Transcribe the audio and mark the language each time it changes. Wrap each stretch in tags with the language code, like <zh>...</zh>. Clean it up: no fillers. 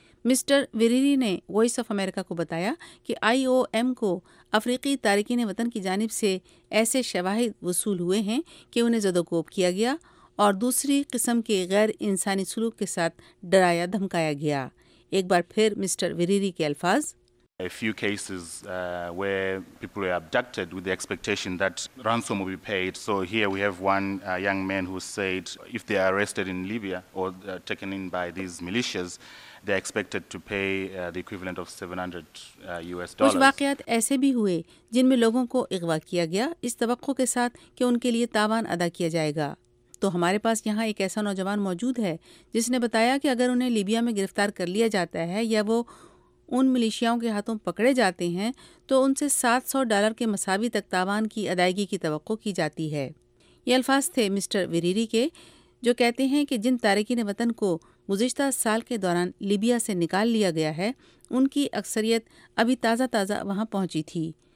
<ur>Mister ویریری نے voice of America کو بتایا کہ آئی او ایم کو افریقی تارکین وطن کی جانب سے ایسے شواہد وصول ہوئے ہیں کہ انہیں زدوکوب کیا گیا اور دوسری قسم کے غیر انسانی سلوک کے ساتھ ڈرایا دھمکایا گیا۔ ایک بار پھر مسٹر ویریری کے الفاظ۔</ur> <en>A few cases where people were abducted with the expectation that ransom will be paid. So here we have one young man who said if they are arrested in Libya or taken in by these militias, they are expected to pay the equivalent of $700.</en> <ur>کچھ واقعات ایسے بھی ہوئے جن میں لوگوں کو اغوا کیا گیا اس توقع کے ساتھ کہ ان کے لیے تاوان ادا کیا جائے گا۔ تو ہمارے پاس یہاں ایک ایسا نوجوان موجود ہے جس نے بتایا کہ اگر انہیں لیبیا میں گرفتار کر لیا جاتا ہے یا وہ ان ملیشیاؤں کے ہاتھوں پکڑے جاتے ہیں تو ان سے $700 کے مساوی تک تاوان کی ادائیگی کی توقع کی جاتی ہے۔ یہ الفاظ تھے مسٹر ویریری کے، جو کہتے ہیں کہ جن تارکین وطن کو گزشتہ سال کے دوران لیبیا سے نکال لیا گیا ہے ان کی اکثریت ابھی تازہ تازہ وہاں پہنچی تھی۔</ur>